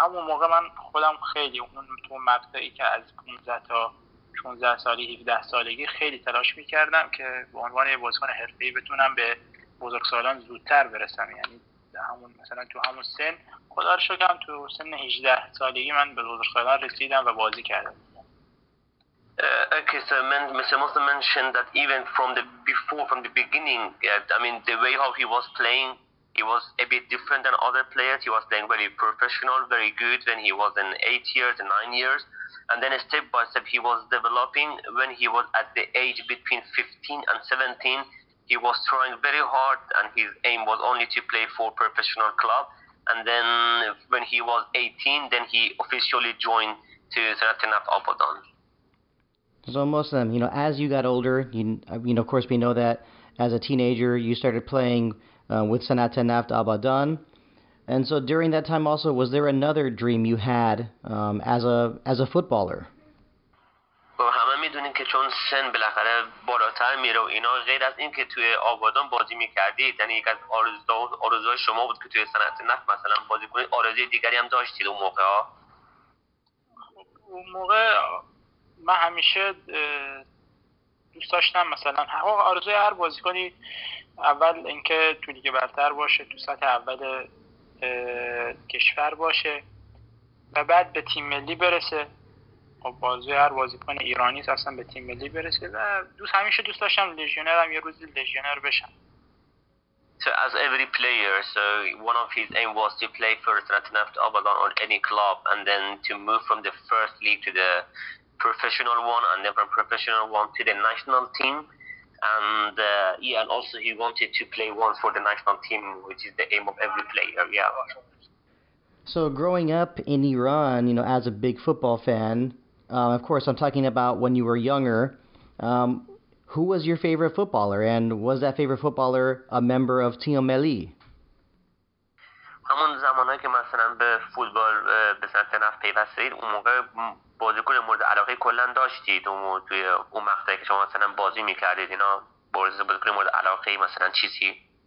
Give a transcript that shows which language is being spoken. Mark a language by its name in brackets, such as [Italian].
[Persian] همون موقع من خودم خیلی اون تو مقطعی که از 15 تا 16 سالی 17 سالگی خیلی تلاش میکردم که به عنوان یه بازیکن حرفه‌ای بتونم به بزرگسالان زودتر برسم، یعنی همون مثلا تو همون سن خدا رو شکرم تو سن 18 سالگی من به بزرگسالان رسیدم و بازی کردم. [English] Okay, so Mr. Moslem mentioned that even from the before, from the beginning, I mean, the way how he was playing, he was a bit different than other players. He was playing very professional, very good when he was in 8 years, 9 years. And then step by step, he was developing. When he was at the age between 15 and 17, he was trying very hard and his aim was only to play for professional club. And then when he was 18, then he officially joined to Sanat Naft Abadan. So Moslem, you know, as you got older, you know, of course, we know that as a teenager, you started playing with Sanat Naft Abadan. And so during that time also, was there another dream you had as a footballer? Well, [Persian] همه میدونین که چون سن بالاخره بالاتر میره اینا غیر از این که توی آبادان بازی میکردید یعنی یک از آرزوهای شما بود که توی سنت نفت مثلا بازی کنید آرزوی دیگری هم داشتید اون موقع ها؟ اون موقع من همیشه دوست داشتم مثلا آرزوی هر بازیکنی اول اینکه تو لیگ برتر باشه تو سطح اول کشور باشه و بعد به تیم ملی برسه. خب آرزوی هر بازیکن ایرانی است اصلا به تیم ملی برسه و همیشه دوست داشتم لژیونر هم یه روزی لژیونر بشم. [English] So as every player, so one of his aim was to play for Sanat Naft Abadan or any club and then to move from the first league to the professional one and then from professional one to the national team and yeah and also he wanted to play once for the national team which is the aim of every player. Yeah. So growing up in Iran, you know, as a big football fan, of course I'm talking about when you were younger, who was your favorite footballer and was that favorite footballer a member of Team Meli? [Persian] همون زمانی که مثلا به فوتبال به سمت نفت پیوستید اون موقع بازیکن مورد علاقه کلا داشتید توی اون مقطعی که شما مثلا بازی میکردید اینا بازیکن مورد علاقه مثلا چیزی؟